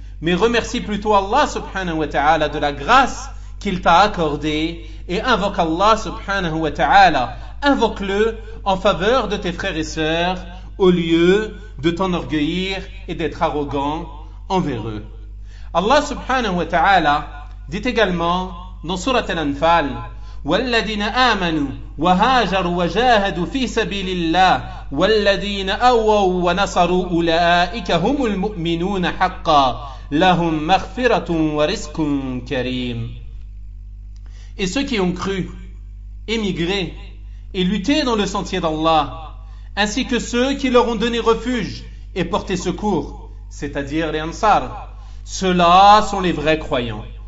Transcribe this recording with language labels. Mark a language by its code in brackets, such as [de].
[fr] Mais remercie plutôt Allah subhanahu wa ta'ala de la grâce qu'il t'a accordée et invoque Allah subhanahu wa ta'ala. Invoque-le en faveur de tes frères et sœurs au lieu de t'enorgueillir et d'être arrogant envers eux. Allah subhanahu wa ta'ala dit également dans sourate Al-Anfal: [ar] والذين آمنوا وهاجروا وجاهدوا في سبيل الله والذين أووا ونصروا أولئك هم المؤمنون حقا لهم مغفرة ورزق كريم. [fr] Et ceux qui ont cru, émigré et lutté dans le sentier d'Allah, ainsi que ceux qui leur ont donné refuge et porté secours, c'est-à-dire les Ansar, ceux-là sont les vrais croyants.